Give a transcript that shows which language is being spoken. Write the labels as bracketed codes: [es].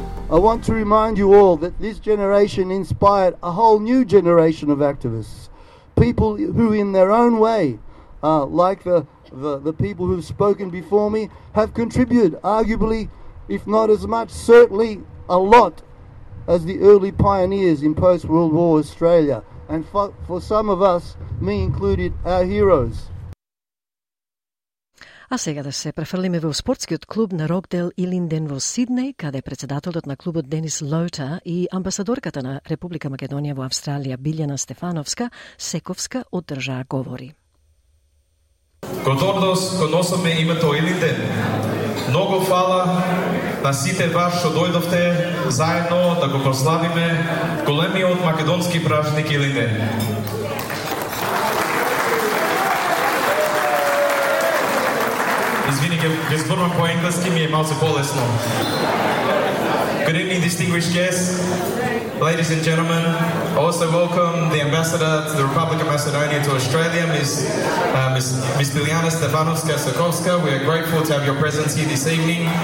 [en] I want to remind you all that this generation inspired a whole new generation of activists, people who in their own way, like the people who've spoken before me, have contributed arguably, if not as much, certainly a lot as the early pioneers in post-World War Australia. And for some of us, me included, our heroes. [mk] А сега да се префрлиме во спортскиот клуб на Рокдел Илинден во Сиднеј, каде председателот на клубот Денис Лоута и амбасадорката на Република Македонија во Австралија Билјана Стефановска Сековска одржаа говори. Готордос, коносаме името Илинден. Многу фала на сите вас што дојдовте заедно да го прославиме големиот македонски празник Илинден. Ќе зборувам по-енглески, ми е малце по-лесно. [en] Good evening, distinguished guests, ladies and gentlemen. I also welcome the ambassador to the Republic of Macedonia to Australia, Ms. Biljana Stefanovska-Sokovska. We are grateful to have your presence here this evening.